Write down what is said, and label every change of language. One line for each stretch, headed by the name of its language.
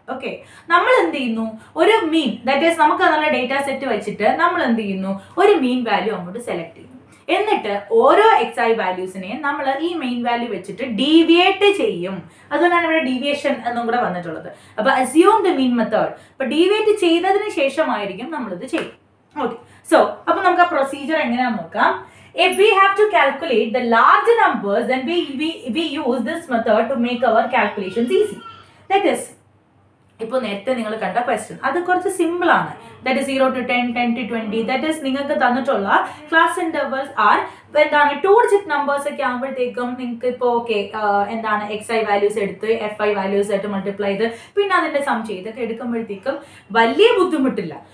Malayalam: Okay, നമ്മൾ എന്ത് ചെയ്യുന്നു, ഒരു മീൻ, ദാറ്റ് ഈസ് നമുക്ക് നല്ല ഡേറ്റ സെറ്റ് വെച്ചിട്ട് നമ്മൾ എന്ത് ചെയ്യുന്നു, ഒരു മീൻ വാല്യൂ അങ്ങോട്ട് സെലക്ട് ചെയ്യുന്നു. എന്നിട്ട് ഓരോ എക്സ് ഐ വാല്യൂസിനെയും നമ്മൾ ഈ മെയിൻ വാല്യൂ വെച്ചിട്ട് ഡീവിയേറ്റ് ചെയ്യും. അതുകൊണ്ടാണ് ഇവിടെ ഡീവിയേഷൻ എന്നും കൂടെ വന്നിട്ടുള്ളത്. അപ്പൊ അസ്യൂംഡ് മീൻ മെത്തേഡ്, അപ്പൊ ഡീവിയേറ്റ് ചെയ്തതിന് ശേഷമായിരിക്കും നമ്മളിത് ചെയ്യും. ഓക്കെ, സോ അപ്പൊ നമുക്ക് ആ പ്രൊസീജിയർ എങ്ങനെയാണെന്ന് നോക്കാം.
English: If we have to calculate the large numbers, then we use this method to make our calculations easy. That is,
Malayalam: ഇപ്പോൾ നേരത്തെ നിങ്ങൾ കണ്ട ക്വസ്റ്റ്യൻ, അത് കുറച്ച് സിമ്പിൾ ആണ്. That is 0 to 10, 10 to 20, that is നിങ്ങൾക്ക് തന്നിട്ടുള്ള ക്ലാസ് ഇൻ്റർവൽസ് ആർ എന്താണ് ടൂ ഡിജിറ്റ് നമ്പേഴ്സൊക്കെ ആകുമ്പോഴത്തേക്കും നിങ്ങൾക്ക് ഇപ്പോൾ ഓക്കെ എന്താണ് എക്സ് ഐ വാല്യൂസ് എടുത്ത് എഫ് ഐ വാല്യൂസ് ആയിട്ട് മൾട്ടിപ്ലൈ ചെയ്ത് പിന്നെ അതിൻ്റെ സം ചെയ്തൊക്കെ എടുക്കുമ്പോഴത്തേക്കും വലിയ ബുദ്ധിമുട്ടില്ല.